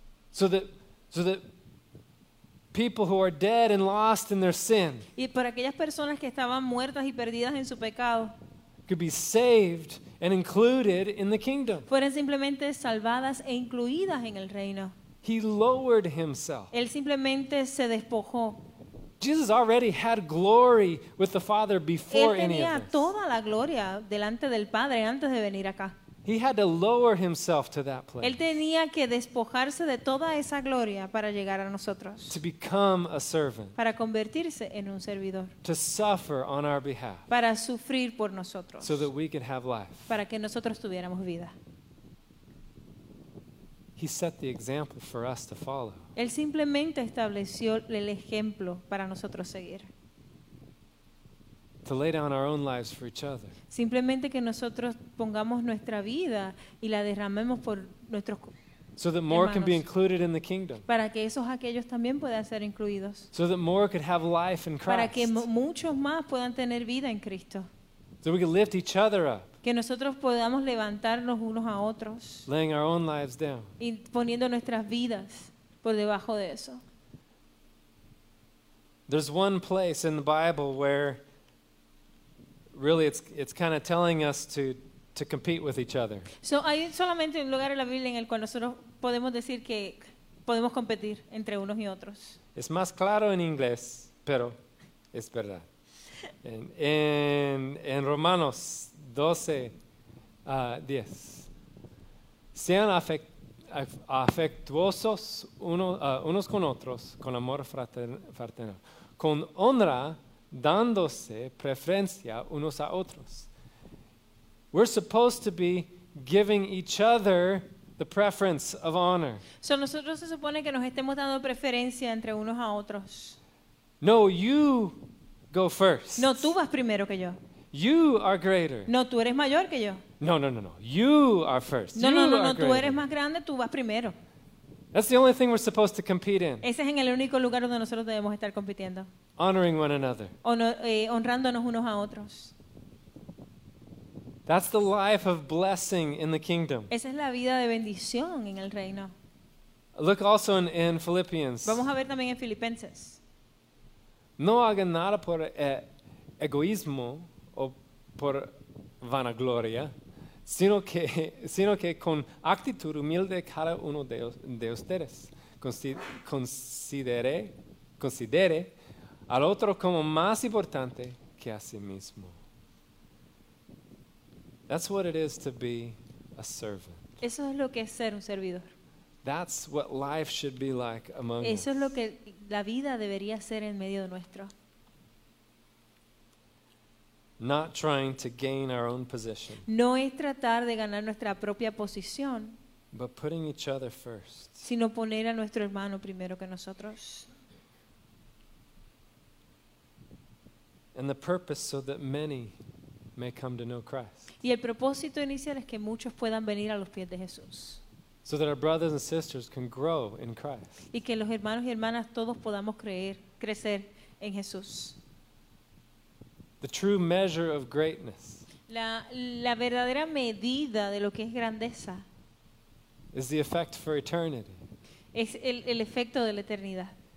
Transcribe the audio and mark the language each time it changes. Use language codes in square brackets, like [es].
[en] So that people who are dead and lost in their sin. [es] Y para aquellas personas que estaban muertas y perdidas en su pecado. [en] Could be saved and included in the kingdom. [es] Fueran simplemente salvadas e incluidas en el reino. [en] He lowered himself. [es] Él simplemente se despojó. [en] Jesus already had glory with the Father before any of this. [es] Él tenía toda la gloria delante del Padre antes de venir acá. [en] He had to lower himself to that place. [es] Él tenía que despojarse de toda esa gloria para llegar a nosotros. [en] To become a servant. [es] Para convertirse en un servidor. [en] To suffer on our behalf. [es] Para sufrir por nosotros. [en] So that we could have life. [es] Para que nosotros tuviéramos vida. [en] He set the example for us to follow. [es] Él simplemente estableció el ejemplo para nosotros seguir. [en] To lay down our own lives for each other. [es] Simplemente que nosotros pongamos nuestra vida y la derramemos por nuestros [en] So that more [es] hermanos. [en] Can be included in the kingdom. [es] Para que esos aquellos también puedan ser incluidos. [en] So that more could have life in Christ. [es] Para que muchos más puedan tener vida en Cristo. [en] So we can lift each other up. [es] Que nosotros podamos levantarnos unos a otros. [en] Laying our own lives down. [es] Y poniendo nuestras vidas por debajo de eso. [en] There's one place in the Bible where really it's kind of telling us to compete with each other. [es] So hay solamente un lugar en la Biblia en el cual nosotros podemos decir que podemos competir entre unos y otros. Es más claro en inglés, pero es verdad. En Romanos 12, 10. Sean afectuosos unos con otros, con amor fraternal, con honra, dándose preferencia unos a otros. [en] We're supposed to be giving each other the preference of honor. [es] So nosotros se supone que nos estemos dando preferencia entre unos a otros. [en] No, you go first. [es] No, tú vas primero que yo. [en] You are greater. [es] No, tú eres mayor que yo. [en] No. You are first. [es] No, tú eres más grande, tú vas primero. [en] That's the only thing we're supposed to compete in. [es] Ese es en el único lugar donde nosotros debemos estar compitiendo. [en] Honoring one another. [es] Honrándonos unos a otros. [en] That's the life of blessing in the kingdom. [es] Esa es la vida de bendición en el reino. [en] Look also in Philippians. [es] Vamos a ver también en Filipenses. No hagan nada por egoísmo o por vanagloria, sino que con actitud humilde cada uno de ustedes considere al otro como más importante que a sí mismo. [en] That's what it is to be a servant. [es] Eso es lo que es ser un servidor. [en] That's what life should be like among us. [es] Eso es lo que la vida debería ser en medio nuestro. [en] Not trying to gain our own position. [es] No es tratar de ganar nuestra propia posición. [en] But putting each other first. [es] Sino poner a nuestro hermano primero que nosotros. [en] And the purpose so that many may come to know Christ. [es] Y el propósito inicial es que muchos puedan venir a los pies de Jesús. [en] So that our brothers and sisters can grow in Christ. [es] Y que los hermanos y hermanas todos podamos crecer en Jesús. [en] The true measure of greatness. [es] La verdadera medida de lo que es grandeza. [en] Is the effect for eternity. [es] Es el efecto de la eternidad.